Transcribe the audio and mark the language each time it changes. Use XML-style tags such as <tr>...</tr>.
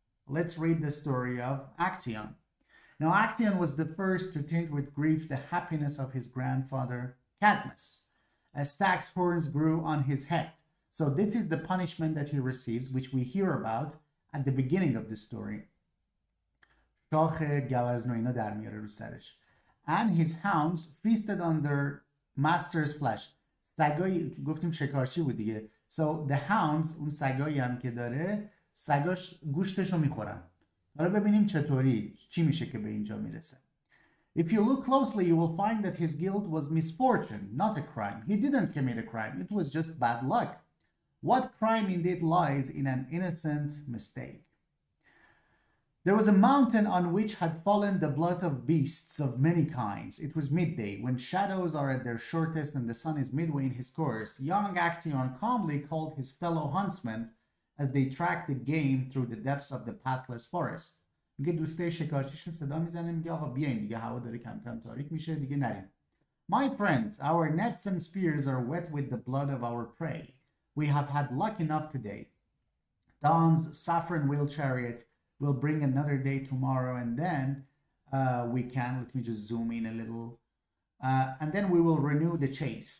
<en>Let's read the story of Actaeon. Now, Actaeon was the first to taint with grief the happiness of his grandfather, Cadmus. A stag's horns grew on his head. So this is the punishment that he receives, which we hear about at the beginning of the story.</en> <fa>شاخ گوزن و اینا در میاره رو سرش.</fa> <en>And his hounds feasted on their master's flesh.</en> <fa>سگای گفتیم شکارچی بود دیگه.</fa> <en>So the hounds,</en> <fa>اون سگایی هم که داره, سگاش گوشتش رو میخورن. حالا ببینیم چطوری, چی میشه که به اینجا میرسه.</fa> <en>If you look closely, you will find that his guilt was misfortune, not a crime. He didn't commit a crime. It was just bad luck. What crime indeed lies in an innocent mistake? There was a mountain on which had fallen the blood of beasts of many kinds. It was midday, when shadows are at their shortest and the sun is midway in his course. Young Actaeon calmly called his fellow huntsmen as they tracked the game through the depths of the pathless forest.</en> <fa>میگه دوسته شکارچیشون صدا میزنه میگه آقا بیاین دیگه هوا داره کم کم تاریک میشه دیگه نریم.</fa> <en>My friends, our nets and spears are wet with the blood of our prey. We have had luck enough today. Dawn's saffron wheel chariot we'll bring another day tomorrow, and then we can, let me just zoom in a little, and then we will renew the chase.</en>